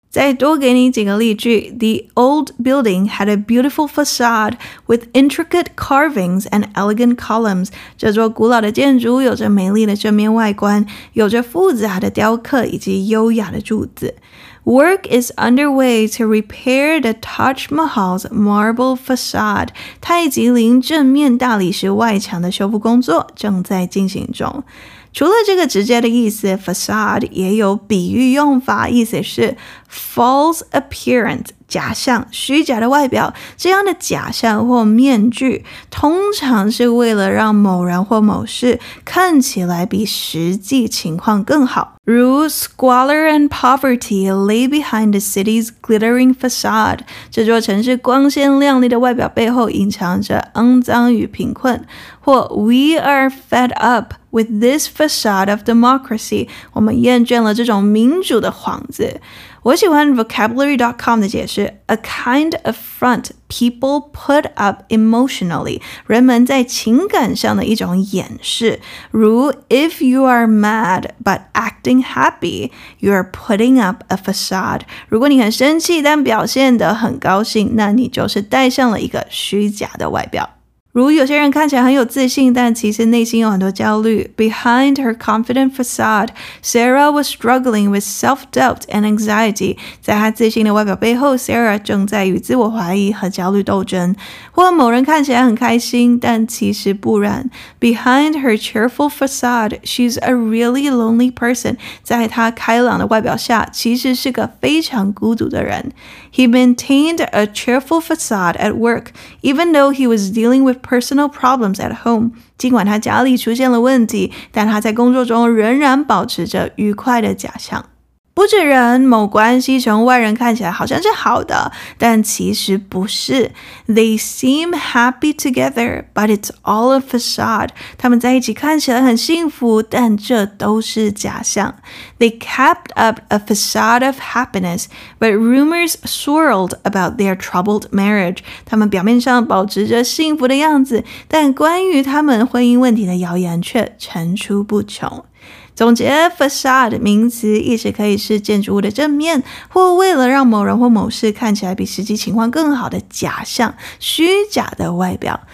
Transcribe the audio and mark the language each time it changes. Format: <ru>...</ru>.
<zh>再多给你几个例句</zh> <en>,The old building had a beautiful facade with intricate carvings and elegant columns.</en> <zh>这座古老的建筑有着美丽的正面外观，有着复杂的雕刻以及优雅的柱子。</zh> <en>Work is underway to repair the Taj Mahal's marble facade.</en> <zh>泰姬陵正面大理石外墙的修复工作正在进行中。除了这个直接的意思 ,facade 也有比喻用法，意思是</zh> <en>false appearance,</en> <zh>假象，虚假的外表。这样的假象或面具通常是为了让某人或某事看起来比实际情况更好。如</zh> <en>squalor and poverty lay behind the city's glittering facade,</en> <zh>这座城市光鲜亮丽的外表背后隐藏着肮脏与贫困。或</zh> <en>we are fed up,With this facade of democracy,</en> <zh>我们厌倦了这种民主的幌子。我喜欢 vocabulary.com 的解释 ,</zh> <en>a kind of front people put up emotionally,</en> <zh>人们在情感上的一种掩饰。</zh> <en>如 ,if you are mad but acting happy, you're putting up a facade.</en> <zh>如果你很生气但表现得很高兴，那你就是戴上了一个虚假的外表。如有些人看起来很有自信，但其实内心有很多焦虑。</zh> <en>Behind her confident facade, Sarah was struggling with self-doubt and anxiety.</en> <zh>在她自信的外表背后， Sarah 正在与自我怀疑和焦虑斗争。或某人看起来很开心，但其实不然。</zh> <en>Behind her cheerful facade, she's a really lonely person.</en> <zh>在她开朗的外表下，其实是个非常孤独的人。</zh> <en>He maintained a cheerful facade at work, even though he was dealing with personal problems at home.</en> <zh>尽管他家里出现了问题，但他在工作中仍然保持着愉快的假象。不止人，某关系从外人看起来好像是好的，但其实不是。</zh> <en>They seem happy together, but it's all a facade.</en> <zh>他们在一起看起来很幸福，但这都是假象。</zh> <en>They kept up a facade of happiness, but rumors swirled about their troubled marriage.</en> <zh>他们表面上保持着幸福的样子，但关于他们婚姻问题的谣言却层出不穷。总结 facade 名词意思可以是建筑物的正面，或为了让某人或某事看起来比实际情况更好的假象，虚假的外表。</zh>